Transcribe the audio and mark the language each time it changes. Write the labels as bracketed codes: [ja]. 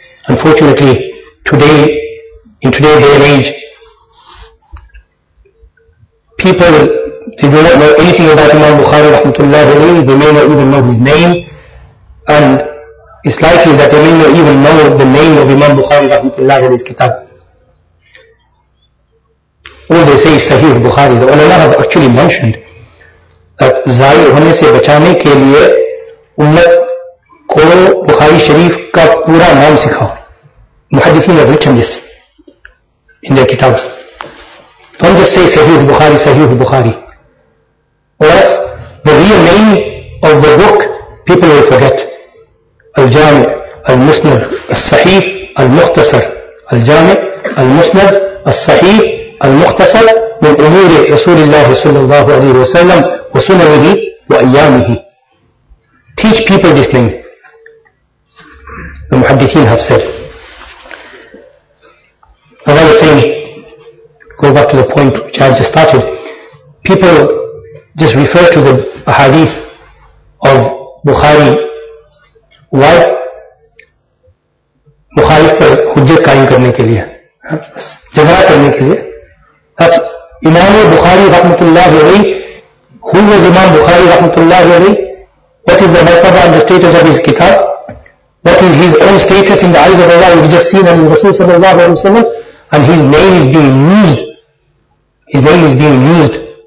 [en] Unfortunately, today, in today's day and age, people, they do not know anything about Imam Bukhari rahmatullahi alayhi, they may not even know his name, and it's likely that they may not even know the name of Imam Bukhari rahmatullahi alayhi's kitab. All they say is Sahih Bukhari. The ulama have actually mentioned that [ur] ضائع ہونے سے بچانے کے لیے امت کو بخاری شریف کا پورا نام سکھاؤ۔ [en] Muhaddithin have written this in their kitabs. Don't just say Sahih Bukhari, Sahih Bukhari. Or else the real name of the book people will forget. Al-Jami, Al-Musnad, Al-Sahih, Al-Mukhtasar. [ar] Al-Jami, Al-Musnad, Al-Sahih, المختصر من أمور رسول الله صلى الله عليه وسلم وسننه وأيامه. [en] Teach people this name. The محدثين have said. As I was saying, go back to the point which I just started. People just refer to the hadith of Bukhari. Why? [ur] مخالف پر حجت قائم کرنے کے لیے جگہ کرنے کے لیے [en] That's Imam Bukhari rahmatullahi alayhi. Who was Imam Bukhari rahmatullahi alayhi? What is the maqama and the status of his kitab? What is his own status in the eyes of Allah? We've just seen in Rasul sallallahu alayhi wa sallam. And his name is being used. His name is being used.